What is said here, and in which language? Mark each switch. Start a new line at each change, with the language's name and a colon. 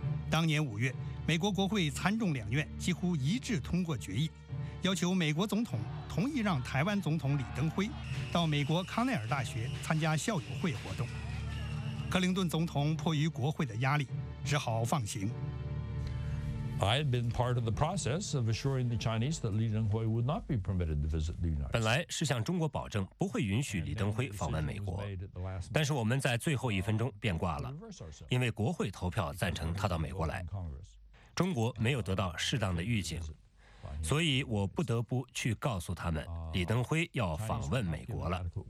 Chinese: 当年5月，美国国会参众两院几乎一致通过决议，要求美国总统同意让台湾总统李登辉到美国康奈尔大学参加校友会活动。克林顿总统迫于国会的压力，只好放行。
English: I had been part of the process of assuring the Chinese that Li Denghui would not be permitted to visit the United States.
Chinese: 本来是向中国保证不会允许李登辉访问美国，但是我们在最后一分钟变卦了，因为国会投票赞成他到美国来，中国没有得到适当的预警，所以我不得不去告诉他们李登辉要访问美国了。